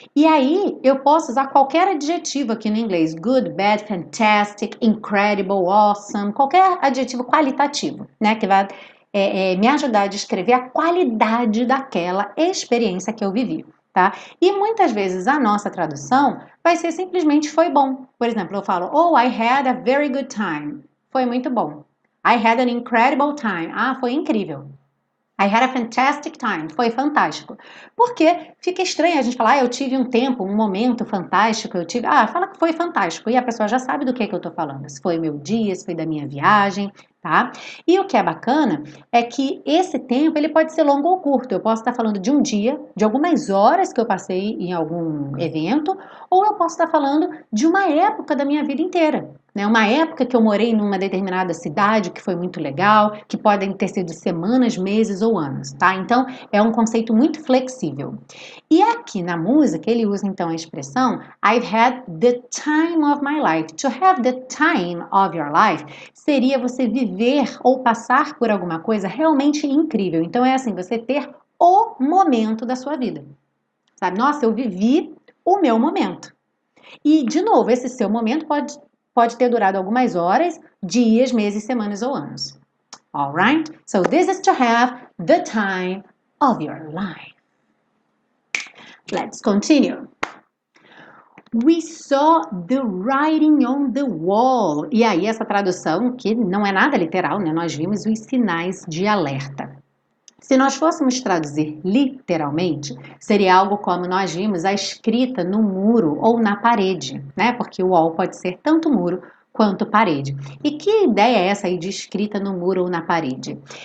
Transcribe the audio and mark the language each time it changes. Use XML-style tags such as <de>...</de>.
<pt>E aí eu posso usar qualquer adjetivo aqui no inglês: good, bad, fantastic, incredible, awesome, qualquer adjetivo qualitativo, né? Que vai me ajudar a descrever a qualidade daquela experiência que eu vivi. Tá? E muitas vezes a nossa tradução vai ser simplesmente foi bom. Por exemplo, eu falo, oh,</pt> <en>I had a very good time.</en> <pt>Foi muito bom.</pt> <en>I had an incredible time.</en> <pt>Ah, foi incrível.</pt> <en>I had a fantastic time.</en> <pt>Foi fantástico. Porque fica estranho a gente falar, ah, eu tive um tempo, um momento fantástico, eu tive. Ah, fala que foi fantástico. E a pessoa já sabe do que eu tô falando. Se foi meu dia, se foi da minha viagem, tá? E o que é bacana é que esse tempo ele pode ser longo ou curto. Eu posso estar falando de um dia, de algumas horas que eu passei em algum evento, ou eu posso estar falando de uma época da minha vida inteira, né? Uma época que eu morei numa determinada cidade que foi muito legal, que podem ter sido semanas, meses ou anos, tá? Então é um conceito muito flexível. E aqui na música ele usa então a expressão</pt> <en>I've had the time of my life. To have the time of your life</en> <pt>seria você viver ou passar por alguma coisa realmente incrível. Então é assim, você ter o momento da sua vida. Sabe? Nossa, eu vivi o meu momento. E de novo, esse seu momento pode ter durado algumas horas, dias, meses, semanas ou anos.</pt> <en>All right? So this is to have the time of your life. Let's continue. We saw the writing on the wall.</en> <pt>E aí, essa tradução, que não é nada literal, né? Nós vimos os sinais de alerta. Se nós fôssemos traduzir literalmente, seria algo como nós vimos a escrita no muro ou na parede, né? Porque o wall pode ser tanto muro quanto parede. E que ideia é essa aí de escrita no muro ou na parede?</pt>